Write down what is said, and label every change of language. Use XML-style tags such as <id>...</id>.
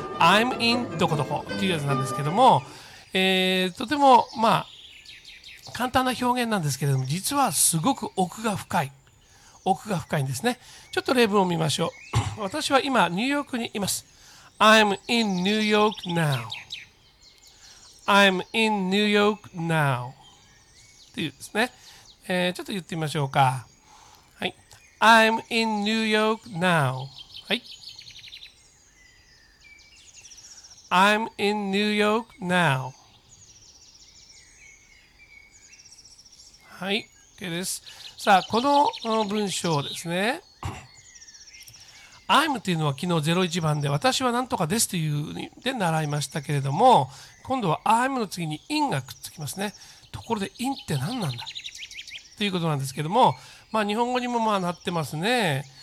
<en>I'm in</en> <ja>どこどこっていうやつなんですけども、とてもまあ簡単な表現なんですけれども、実はすごく奥が深い、奥が深いんですね。ちょっと例文を見ましょう。私は今ニューヨークにいます。</ja> <en>I'm in New York now。 I'm in New York now</en> <ja>っていうですね、ちょっと言ってみましょうか。</ja> <en>はい、 I'm in New York now。 はい、 I'm in New York now。</en> <ja>はい、 OK です。さあ、この文章ですね、I'm っていうのは昨日01番で、私はなんとかですというで習いましたけれども、今度は I'm の次に in がくっつきますね。ところで in って何なんだということなんですけれども、まあ日本語にもまあなってますね。</ja>